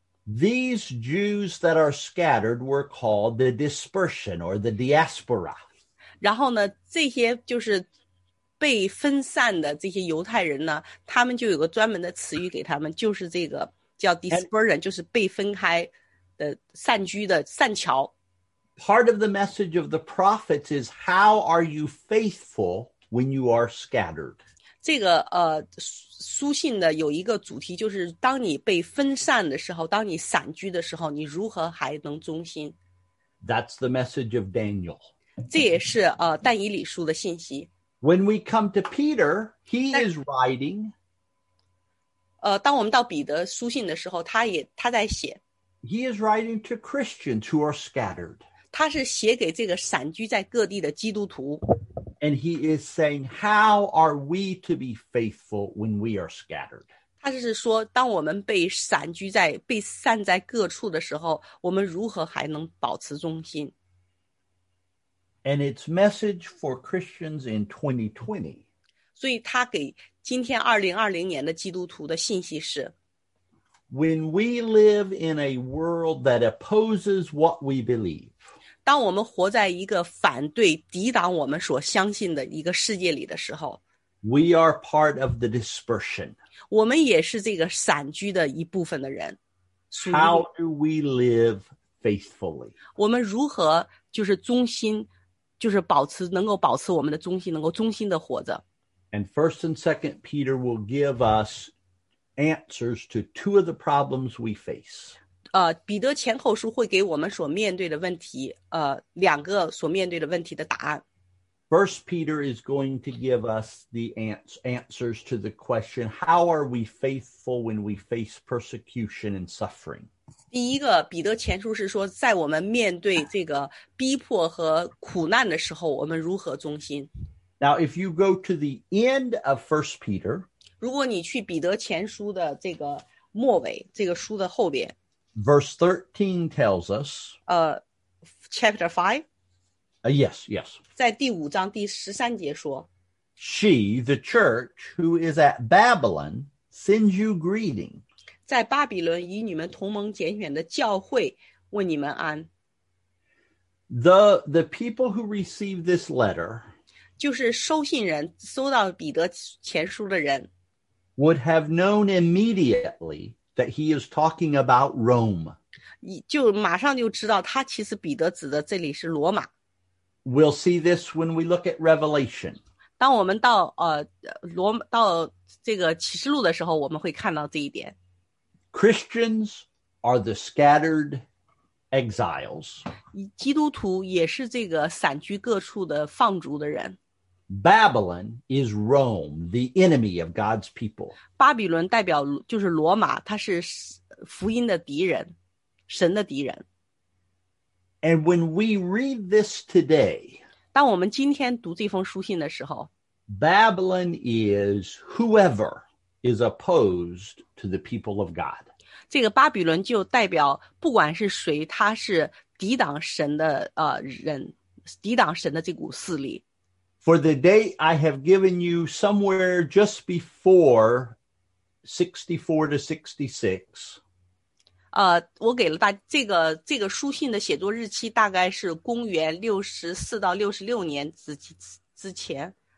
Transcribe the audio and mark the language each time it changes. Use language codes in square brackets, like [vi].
[en] These Jews that are scattered were called the dispersion or the diaspora. [zh] 然后呢，这些就是被分散的这些犹太人呢，他们就有个专门的词语给他们，就是这个叫 dispersion, 就是被分开的、散居的、散侨。 [en] Part of the message of the prophets is how are you faithful when you are scattered? [zh] 这个书信的有一个主题，就是当你被分散的时候，当你散居的时候，你如何还能忠心？ [en] That's the message of Daniel. [zh] 这也是但以理书的信息。 [en] When we come to Peter, he is writing. [zh] 当我们到彼得书信的时候，他在写。 [en] He is writing to Christians who are scattered. [zh] 他是写给这个散居在各地的基督徒。 [en] And he is saying, how are we to be faithful when we are scattered? [zh] 他就是说，当我们被散居在、被散在各处的时候，我们如何还能保持忠心？ [en] And it's message for Christians in 2020. [zh] 所以他给今天2020年的基督徒的信息是， [en] When we live in a world that opposes what we believe, [zh] 当我们活在一个反对、抵挡我们所相信的一个世界里的时候， [en] We are part of the dispersion. [zh] 我们也是这个散居的一部分的人。 [en] How do we live faithfully? [zh] 我们如何就是忠心，就是保持，能够保持我们的忠心，能够忠心的活着。 [en] And 1st and 2nd Peter will give us answers to two of the problems we face. [zh] 彼得前后书会给我们所面对的问题，两个所面对的问题的答案。 [en] First Peter is going to give us the answers to the question, how are we faithful when we face persecution and suffering? [zh] 第一个，彼得前书是说，在我们面对这个逼迫和苦难的时候，我们如何忠心。 [en] Now, if you go to the end of First Peter, [zh] 如果你去彼得前书的这个末尾，这个书的后边， [en] Verse 13 tells us. Chapter 5? Yes. [zh] 在第五章第十三节说， [en] She, the church, who is at Babylon, sends you greeting. [zh] 在巴比伦与你们同盟拣选的教会问你们安。 [en] The people who receive this letter, [zh] 就是收信人，收到彼得前书的人， [en] would have known immediately,that he is talking about Rome. [zh] 就马上就知道他其实彼得指的这里是罗马。 [en] We'll see this when we look at Revelation. [zh] 当我们到到这个启示录的时候，我们会看到这一点。 [en] Christians are the scattered exiles. [zh] 基督徒也是这个散居各处的放逐的人。 [en] Babylon is Rome, the enemy of God's people. [zh] 巴比伦代表就是罗马，它是福音的敌人，神的敌人。 [en] And when we read this today, [zh] 当我们今天读这封书信的时候， [en] Babylon is whoever is opposed to the people of God. [zh] 这个巴比伦就代表不管是谁，他是抵挡神的人，抵挡神的这股势力。 [en] For the date I have given you somewhere just before 64 to 66. [zh] 我给了大这个书信的写作日期大概是公元64到66年之前。